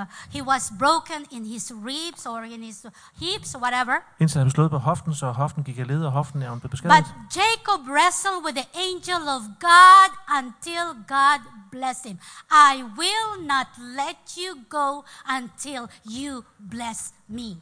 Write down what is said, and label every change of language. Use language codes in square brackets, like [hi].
[en] He was broken in his ribs or in his hips, whatever. [da] Indtil han blev slået på hoften, så hoften gik af led, og hoften er blevet beskadiget. [en] But Jacob wrestled with the angel of God until God blessed him. I will not let you go until you bless me.